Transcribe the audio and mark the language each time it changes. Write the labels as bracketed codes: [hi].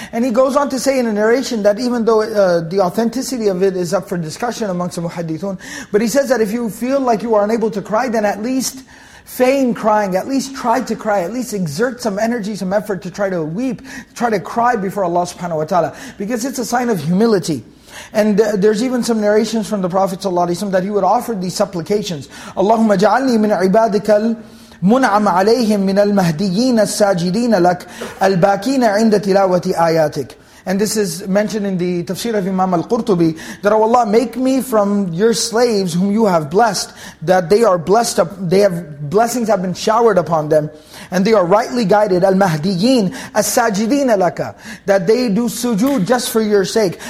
[en] And he goes on to say in a narration that even though the authenticity of it is up for discussion amongst the muhaddithun, but he says that if you feel like you are unable to cry, then at least feign crying, at least try to cry, at least exert some energy, some effort to try to weep, try to cry before Allah subhanahu wa ta'ala. Because it's a sign of humility. And there's even some narrations from the Prophet ﷺ that he would offer these supplications. [ar] Allahumma ja'alni min ibadika مُنْعَمْ عَلَيْهِمْ مِنَ الْمَهْدِيِّينَ السَّاجِدِينَ لَكَ الْبَاكِينَ عِنْدَ تِلَاوَةِ آيَاتِكَ. [en] And this is mentioned in the tafsir of Imam Al-Qurtubi, that, oh Allah, make me from your slaves whom you have blessed, that they are blessed, they have blessings have been showered upon them, and they are rightly guided. [ar] الْمَهْدِيِّينَ السَّاجِدِينَ لَكَ. [en] That they do sujood just for your sake.